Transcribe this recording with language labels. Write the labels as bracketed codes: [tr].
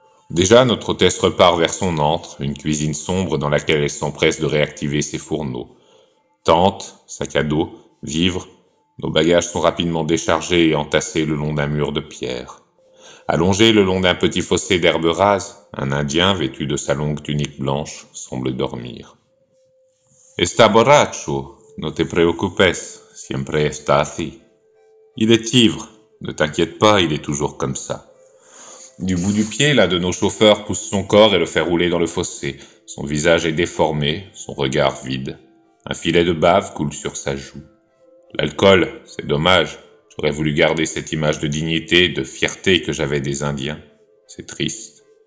[fr] Déjà, notre hôtesse repart vers son antre, une cuisine sombre dans laquelle elle s'empresse de réactiver ses fourneaux. Tente, sac à dos, vivres, nos bagages sont rapidement déchargés et entassés le long d'un mur de pierre. Allongé le long d'un petit fossé d'herbe rase, un Indien, vêtu de sa longue tunique blanche, semble dormir. [es] Está borracho, no te preocupes, siempre está así. [fr] Il est ivre, ne t'inquiète pas, il est toujours comme ça. Du bout du pied, l'un de nos chauffeurs pousse son corps et le fait rouler dans le fossé. Son visage est déformé, son regard vide. Un filet de bave coule sur sa joue. L'alcool, c'est dommage. J'aurais voulu garder cette image de dignité, de fierté que j'avais des Indiens. C'est triste.